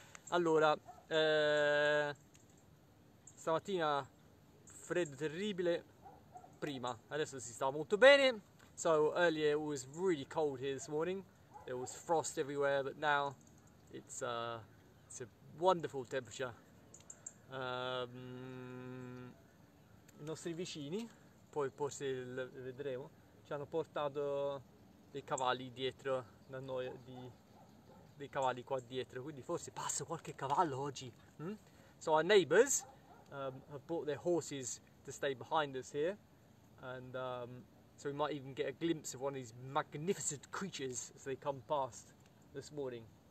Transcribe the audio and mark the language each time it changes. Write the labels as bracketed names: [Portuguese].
[Italian] Allora, stamattina freddo terribile, prima, adesso si sta molto bene. [English] So earlier it was really cold here this morning, there was frost everywhere, but now it's a wonderful temperature. [Italian] I nostri vicini, poi forse vedremo, ci hanno portato dei cavalli dietro da noi, dei cavalli qua dietro, quindi forse passa qualche cavallo oggi. [English] So our neighbors have brought their horses to stay behind us here, and so we might even get a glimpse of one of these magnificent creatures as they come past this morning.